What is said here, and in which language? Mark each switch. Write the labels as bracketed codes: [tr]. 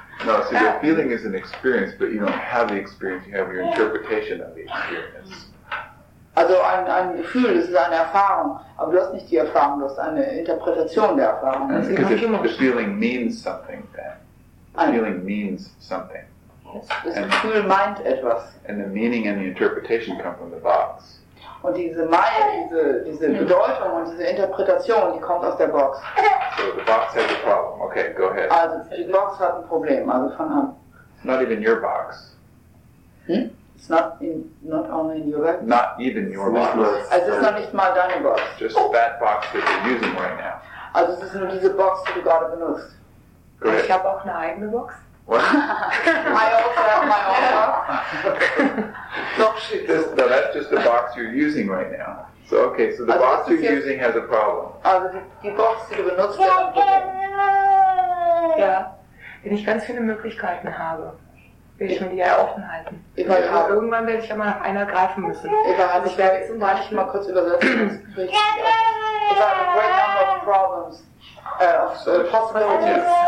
[en] No, see, the feeling is an experience, but you don't have the experience, you have your interpretation of the experience. [de] Also ein Gefühl, das ist eine Erfahrung, aber du hast nicht die Erfahrung, du hast eine Interpretation der Erfahrung. [en] Because the feeling means something, then. Feeling means something. [de] Das Gefühl meint etwas. [en] And the meaning and the interpretation come from the box. [de] Und diese Meinung, diese Bedeutung und diese Interpretation, die kommt aus der Box. [en] So the box has a problem. Okay, go ahead. [de] Also die Box hat ein Problem, also fang an. [en] Not even your box. It's not only in your box. Not even your box. [de] Also es ist noch nicht mal deine Box. [en] Just that box that you're using right now. [de] Also es ist nur diese Box, die du gerade benutzt. [en] Go ahead. [de] Ich habe auch eine eigene Box. [en] What? I also have my own box. No, that's just the box you're using right now. So okay, so the box you're using has a problem. [de] Also die Box, die du benutzt, hat ein Problem. Ja, wenn ich ganz viele Möglichkeiten habe, will ich mir die ja offen halten. Irgendwann werde ich ja mal nach einer greifen müssen. Ich werde zum Beispiel mal kurz übersetzen. Ich habe ein [en] great number of problems, of possibilities.